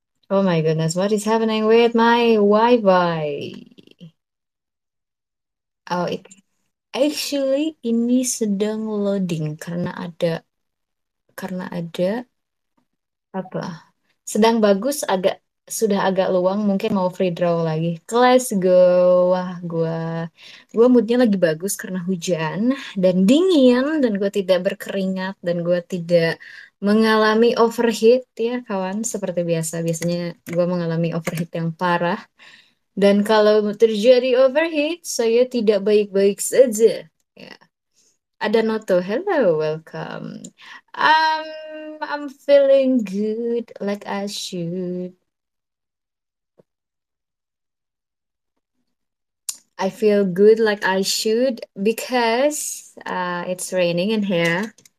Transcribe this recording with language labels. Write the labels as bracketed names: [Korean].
[English] Oh my goodness, what is happening with my Wi-Fi? [Indonesian] Oh, it actually ini sedang loading karena ada apa? Sedang bagus, sudah agak luang, mungkin mau free draw lagi. Let's go. Wah, gua moodnya lagi bagus karena hujan dan dingin dan gua tidak berkeringat dan gua tidak mengalami overheat ya kawan, seperti biasa. Biasanya gue mengalami overheat yang parah. Dan kalau terjadi overheat, saya tidak baik-baik saja. Ya. Ada Noto, hello, welcome. [English] I'm feeling good, like I should. I feel good like I should because it's raining in here.